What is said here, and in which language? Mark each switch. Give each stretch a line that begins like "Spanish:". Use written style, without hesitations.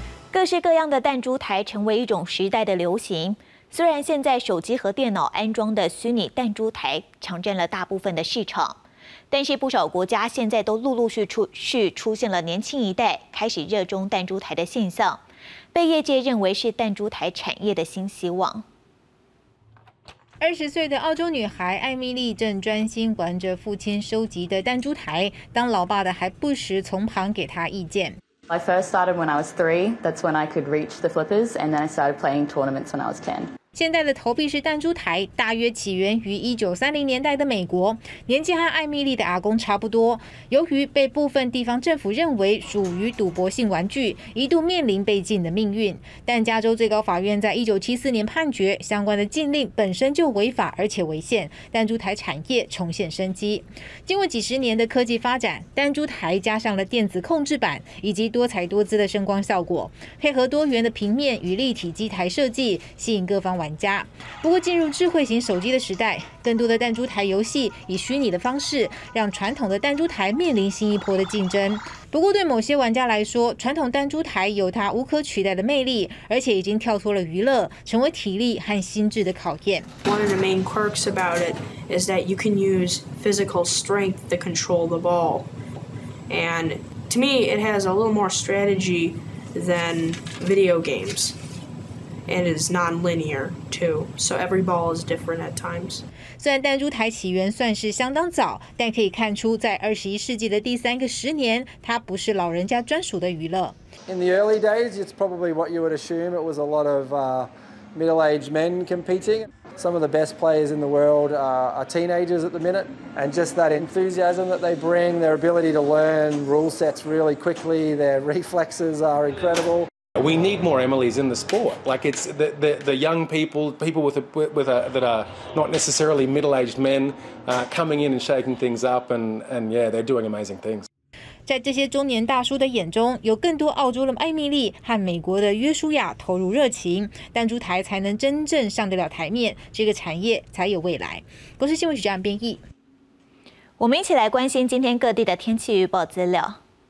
Chinese: 各式各样的弹珠台成为一种时代的流行，虽然现在手机和电脑安装的虚拟弹珠台抢占了大部分的市场，但是不少国家现在都陆陆续续出现了年轻一代开始热衷弹珠台的现象，被业界认为是弹珠台产业的新希望。 20岁的澳洲女孩艾米丽正专心玩着父亲收集的弹珠台，当老爸的还不时从旁给她意见。
English: I first started when I was 3, that's when I could reach the flippers, and then I started playing tournaments when I was 10.
Chinese: 现在的投币式弹珠台大约起源于1930年代的美国，年纪和艾米丽的阿公差不多，由于被部分地方政府认为属于赌博性玩具，一度面临被禁的命运。但加州最高法院在1974年判决相关的禁令本身就违法而且违宪，弹珠台产业重现生机。经过几十年的科技发展，弹珠台加上了电子控制板以及多彩多姿的声光效果，配合多元的平面与立体机台设计，吸引各方玩家。不过进入智慧型手机的时代，更多的弹珠台游戏以虚拟的方式让传统的弹珠台面临新一波的竞争。不过对某些玩家来说，传统弹珠台有它无可取代的魅力，而且已经跳脱了娱乐，成为体力和心智的考验。
English: One of the main quirks about it is that you can use physical strength to control the ball, and to me it has a little more strategy than video games. And it is non-linear too, so every ball is different at times.
Chinese: 虽然弹珠台起源算是相当早，但可以看出，在21世纪的第三个十年，它不是老人家专属的娱乐。
English: In the early days, it's probably what you would assume. It was a lot of middle-aged men competing. Some of the best players in the world are teenagers at the minute, and just that enthusiasm that they bring, their ability to learn rule sets really quickly, their reflexes are incredible. We need more Emilys in the sport. Like it's the young people, people with a that are not necessarily middle-aged men, coming in and shaking things up, and yeah, they're doing amazing things.
Chinese: 在这些中年大叔的眼中，有更多澳洲的艾米丽和美国的约书亚投入热情，弹珠台才能真正上得了台面，这个产业才有未来。国视新闻局长编译，我们一起来关心今天各地的天气预报资料。